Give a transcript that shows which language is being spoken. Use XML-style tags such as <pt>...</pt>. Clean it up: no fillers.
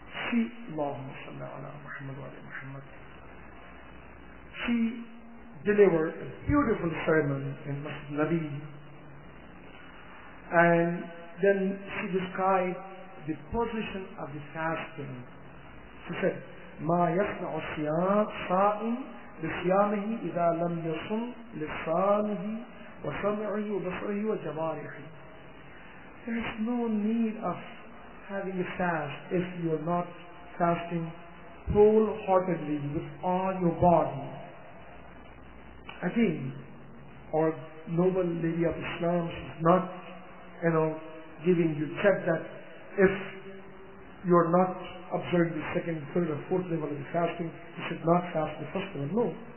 <en>She, Allahumma salli ala Muhammad wa ala Muhammad, she delivered a beautiful sermon in Masjid Nabi, and then she described the position of the fasting. She said,</en> <ar>ما يصنع الصائم بصيامه إذا لم يصم لسانه وسمعه وبصره وجوارحه.</ar> <en>There is no need of having a fast if you are not fasting wholeheartedly with all your body. Again, our noble lady of Islam is not, you know, giving you check that if you are not observing the second, third or fourth level of the fasting, you should not fast the first level. No.</en>